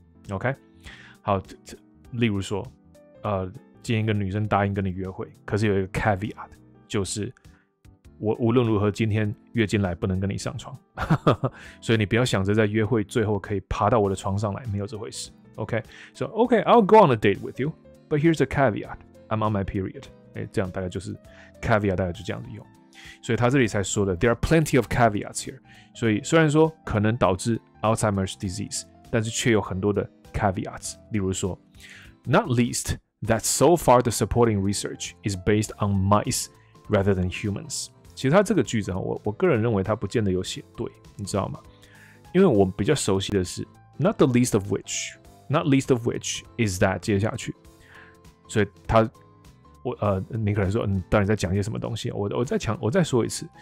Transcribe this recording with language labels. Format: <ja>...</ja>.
<zh>OK， 好，例如说今天一个女生答应跟你约会，可是有一个 caveat， 就是我无论如何今天月经来不能跟你上床，所以你不要想着在约会最后可以爬到我的床上来，没有这回事。</zh> <en>OK， so OK， I'll go on a date with you， but here's a caveat， I'm on my period。</en> <zh>这样大概就是 caveat， 大概就这样子用。所以他这里才说的</zh> <en>there are plenty of caveats here，</en> <zh>所以虽然说可能导致 Alzheimer's disease， 但是却有很多的 caveats。例如说</zh> <en>not least that so far the supporting research is based on mice rather than humans。</en> <zh>其实他这个句子 我个人认为他不见得有写对，你知道吗？因为我比较熟悉的是</zh> <en>not the least of which， not least of which is that</en> <zh>接下去，所以他你可能说你到底在讲些什么东西， 我再说一次。</zh>